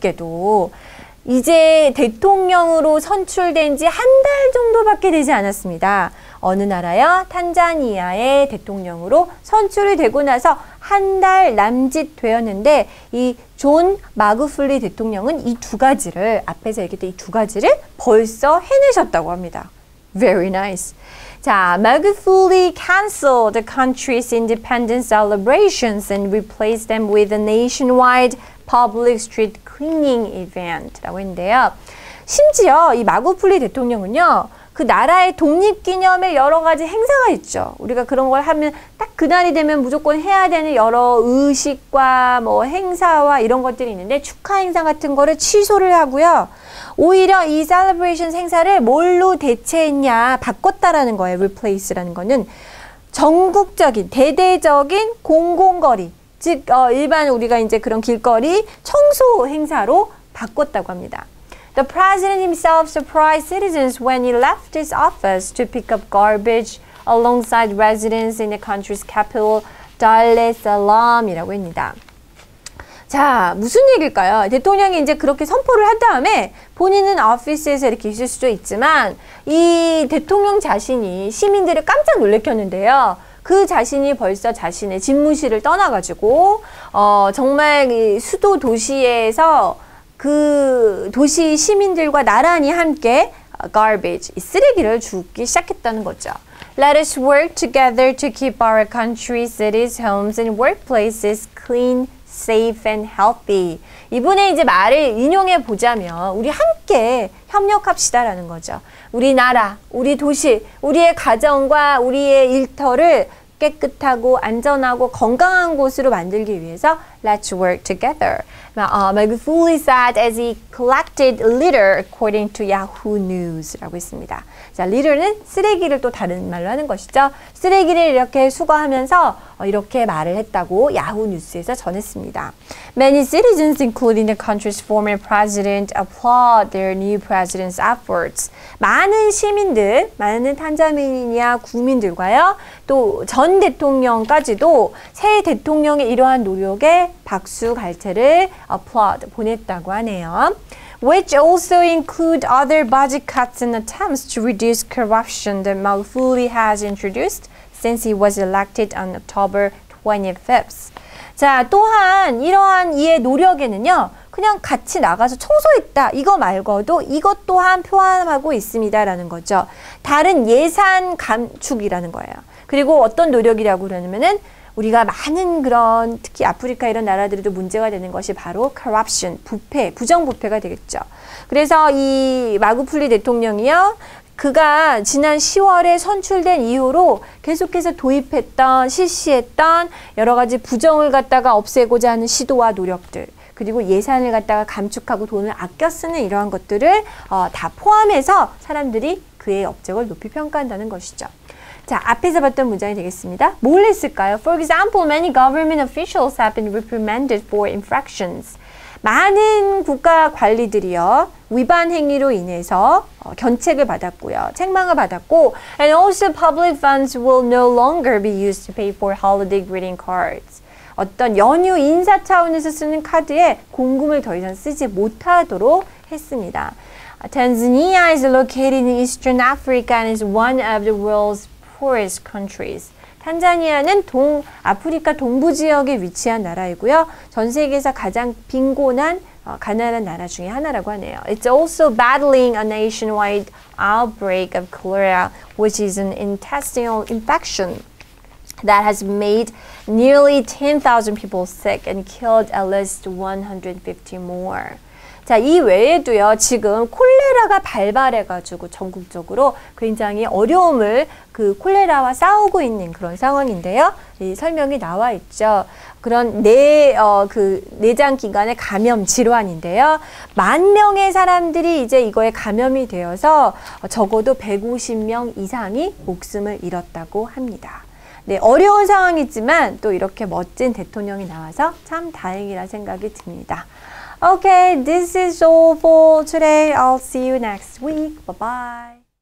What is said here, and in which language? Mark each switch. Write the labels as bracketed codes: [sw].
[ko] 놀랍게도 이제 대통령으로 선출된 지 한 달 정도밖에 되지 않았습니다. 어느 나라요? 탄자니아의 대통령으로 선출이 되고 나서 한 달 남짓 되었는데 이 존 마그플리 대통령은 이 두 가지를 앞에서 얘기했던 이 두 가지를 벌써 해내셨다고 합니다. [en] Very nice. 자, Magufuli canceled the country's independence celebrations and replaced them with a nationwide public street cleaning event [ko] 라고 했는데요. 심지어 이 마구플리 대통령은요, 그 나라의 독립기념에 여러 가지 행사가 있죠. 우리가 그런 걸 하면 딱 그날이 되면 무조건 해야 되는 여러 의식과 뭐 행사와 이런 것들이 있는데 축하 행사 같은 거를 취소를 하고요. 오히려 이 celebrations 행사를 뭘로 대체했냐, 바꿨다라는 거예요. replace라는 거는 전국적인, 대대적인 공공거리, 즉 일반 우리가 이제 그런 길거리 청소 행사로 바꿨다고 합니다. [en] The president himself surprised citizens when he left his office to pick up garbage alongside residents in the country's capital, Dar es Salaam [ko] 이라고 합니다. 자, 무슨 얘기일까요? 대통령이 이제 그렇게 선포를 한 다음에 본인은 오피스에서 이렇게 있을 수도 있지만 이 대통령 자신이 시민들을 깜짝 놀래켰는데요. 그 자신이 벌써 자신의 집무실을 떠나가지고 정말 이 수도 도시에서 그 도시 시민들과 나란히 함께 garbage, 쓰레기를 줍기 시작했다는 거죠. [en] Let us work together to keep our country, cities, homes and workplaces clean, safe and healthy. [ko] 이분의 이제 말을 인용해 보자면 우리 함께 협력합시다 라는 거죠. 우리 나라, 우리 도시, 우리의 가정과 우리의 일터를 깨끗하고 안전하고 건강한 곳으로 만들기 위해서 [en] Let's work together. Magufuli said as he collected litter according to Yahoo News [ko] 라고 있습니다. 자, litter는 쓰레기를 또 다른 말로 하는 것이죠. 쓰레기를 이렇게 수거하면서 이렇게 말을 했다고 Yahoo News에서 전했습니다. [en] Many citizens including the country's former president applaud their new president's efforts. [ko] 많은 시민들, 많은 탄자니아 국민들과요. 또 전 대통령까지도 새 대통령의 이러한 노력에 박수 갈채를 applaud 보냈다고 하네요. [en] Which also include other budget cuts and attempts to reduce corruption that Malfuli has introduced since he was elected on October 25th. [ko] 자, 또한 이러한 이의 노력에는요. 그냥 같이 나가서 청소했다. 이거 말고도 이것 또한 포함하고 있습니다라는 거죠. 다른 예산 감축이라는 거예요. 그리고 어떤 노력이라고 그러냐면은 우리가 많은 그런 특히 아프리카 이런 나라들도 문제가 되는 것이 바로 corruption, 부패, 부정부패가 되겠죠. 그래서 이 마구풀리 대통령이요. 그가 지난 10월에 선출된 이후로 계속해서 도입했던, 실시했던 여러 가지 부정을 갖다가 없애고자 하는 시도와 노력들. 그리고 예산을 갖다가 감축하고 돈을 아껴 쓰는 이러한 것들을 다 포함해서 사람들이 그의 업적을 높이 평가한다는 것이죠. 자, 앞에서 봤던 문장이 되겠습니다. 뭘 했을까요? [en] For example, many government officials have been reprimanded for infractions. [ko] 많은 국가 관리들이요. 위반 행위로 인해서 견책을 받았고요. 책망을 받았고 [en] and also public funds will no longer be used to pay for holiday greeting cards. [ko] 어떤 연휴 인사 차원에서 쓰는 카드에 공금을 더 이상 쓰지 못하도록 했습니다. [en] Tanzania is located in Eastern Africa and is one of the world's poorest countries. [ko] 탄자니아는 아프리카 동부 지역에 위치한 나라이고요. 전 세계에서 가장 빈곤한 가난한 나라 중에 하나라고 하네요. [en] It's also battling a nationwide outbreak of cholera, which is an intestinal infection that has made nearly 10,000 people sick and killed at least 150 more. [ko] 자, 이 외에도요, 지금 콜레라가 발발해가지고 전국적으로 굉장히 어려움을 그 콜레라와 싸우고 있는 그런 상황인데요. 이 설명이 나와 있죠. 그런 내장기관의 감염 질환인데요. 만 명의 사람들이 이제 이거에 감염이 되어서 적어도 150명 이상이 목숨을 잃었다고 합니다. 네, 어려운 상황이지만 또 이렇게 멋진 대통령이 나와서 참 다행이라 생각이 듭니다. [en] Okay, this is all for today. I'll see you next week. Bye-bye.